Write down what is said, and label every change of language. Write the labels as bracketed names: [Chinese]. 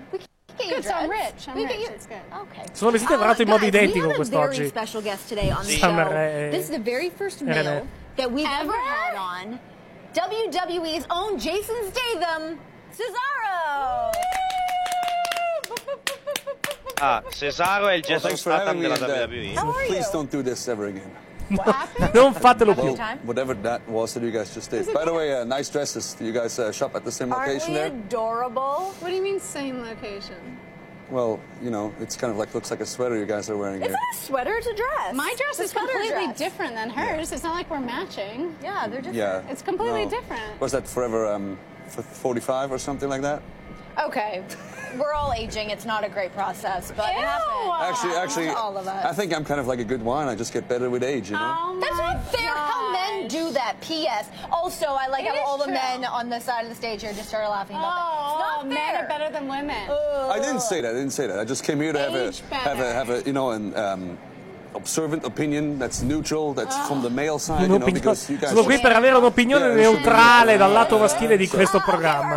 [English] We can get you good, so I'm rich. It's good. Okay. [Italian] Sono vestita veramente in modo identico quest'oggi. [English] We have a very special guest today on the show. This is the very first male that we've ever had on WWE's own Jason Statham, Cesaro. [Italian] Ah, Cesaro è il Jason Statham della WWE. [English] How are you? Please don't do this ever again. [Italian] Non fatelo più. [English] Whatever that was that you guys just did. By the way, nice dresses. Do you guys shop at the same location there? Aren't we adorable? What do you mean same location? Well, you know, it's kind of like looks like a sweater you guys are wearing. It's not a sweater, it's a dress. My dress is completely different than hers. It's not like we're matching. Yeah, they're different. Yeah. It's completely different. Was that forever 45 or something like that? Okay. We're all aging. It's not a great process, but ew. Actually, all of us. I think I'm kind of like a good wine. I just get better with age, you know. Oh, that's not fair. Gosh. How men do that? P.S. Also, I like it how all true. The men on the side of the stage here just started laughing about that. It's not fair. Men are better than women. Ooh. I didn't say that. I just came here to age have a you know an observant opinion that's neutral, that's from the male side, you know, because you guys [Italian] sono qui per avere un'opinione neutrale dal lato maschile di questo programma.